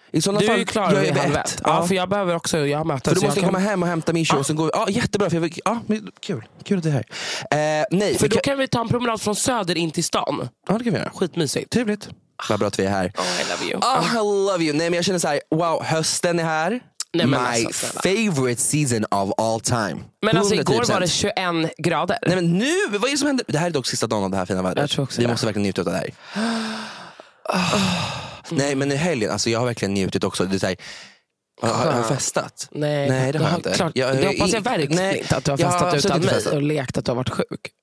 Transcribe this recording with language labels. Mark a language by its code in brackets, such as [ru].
[sv] I sådana fall, du är ju klar vid halv ett. Ja, för jag behöver också, jag har mötet. För du måste jag komma hem och hämta min show och sen går vi. Ja, jättebra. För jag vill, ja, men kul att det är här. Nej. För då kan vi ta en promenad från söder in till stan. Ja, det kan vi göra. Skitmysigt. Trevligt. Vad bra att vi är här. [en] Oh, I love you. Oh, I love you. [sv] Nej, men jag känner så här, wow, hösten är här. Nej, [en] my favorite season of all time. [sv] Men alltså 110%. Igår var det 21 grader. Nej, men nu, vad är det som händer? Det här är dock sista dagen av det här fina vädret. Jag tror också vi måste verkligen njuta av det här. Nej, men i helgen, alltså jag har verkligen njutit också. Det är så här, har du festat? Nej, det har jag inte. Klart, jag hoppas jag verkligen nej, inte att du har festat har utan mig och lekt att du har varit sjuk.